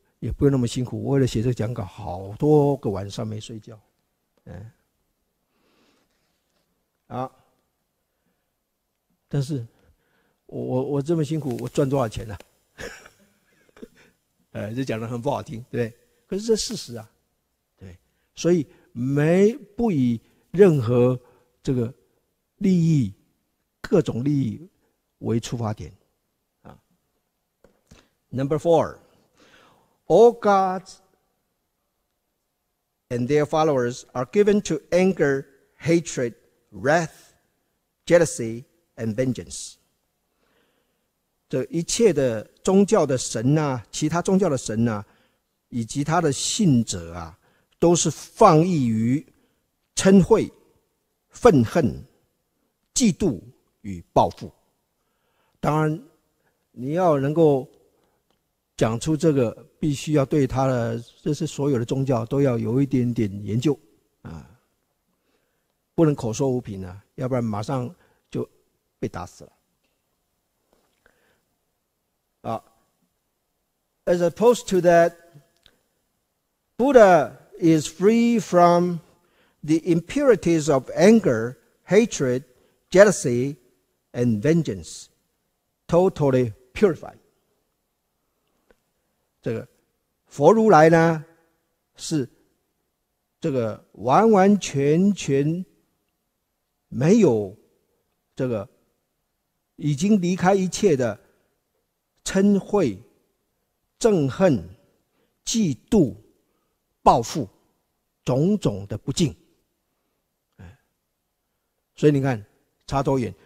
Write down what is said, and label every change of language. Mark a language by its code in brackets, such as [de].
[zh] 也不用那么辛苦，我为了写这个讲稿好多个晚上没睡觉，好，但是 我这么辛苦我赚多少钱呢、啊这讲得很不好听，对，可是这事实啊，对，所以没不以任何这个利益各种利益为出发点啊。 [en] Number four，All gods and their followers are given to anger, hatred, wrath, jealousy, and vengeance. [zh] 这一切的宗教的神啊，其他宗教的神啊，以及他的信者啊，都是放逸于嗔恚、愤恨、嫉妒与报复。当然，你要能够讲出这个必须要对他的，这是所有的宗教都要有一点点研究啊，不能口说无凭啊，要不然马上就被打死了。 [en] As opposed to that, Buddha is free from the impurities of anger, hatred, jealousy, and vengeance, totally purified. [zh] 这个佛如来呢，是这个完完全全没有这个已经离开一切的嗔恚、憎恨、嫉妒、报复种种的不净。所以你看，差多远。